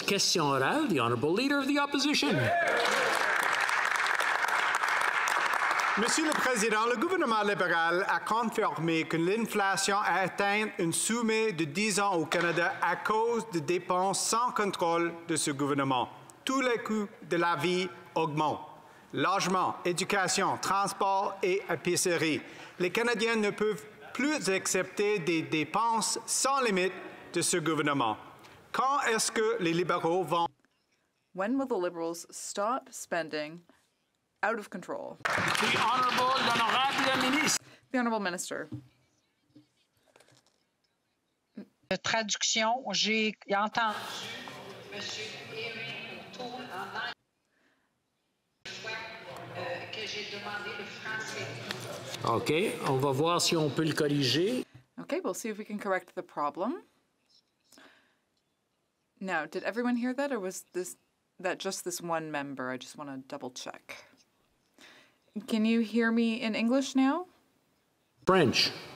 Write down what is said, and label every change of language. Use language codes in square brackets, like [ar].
[fr] Question orale, [en] the Honourable Leader of the Opposition. [fr] Monsieur le Président, le gouvernement libéral a confirmé que l'inflation a atteint un sommet de 10 ans au Canada à cause de dépenses sans contrôle de ce gouvernement. Tous les coûts de la vie augmentent. Logement, éducation, transport et épicerie. Les Canadiens ne peuvent plus accepter des dépenses sans limite de ce gouvernement. Quand est-ce que les libéraux vont... [en] When will the Liberals stop spending out of control? The Honourable, [fr] l'Honorable Ministre. [en] The Honourable Minister. [fr] De traduction, j'ai entendu... OK, on va voir si on peut le corriger. [en] OK, we'll see if we can correct the problem. Now, did everyone hear that, or was this that just this one member? I just want to double check. Can you hear me in English now? French.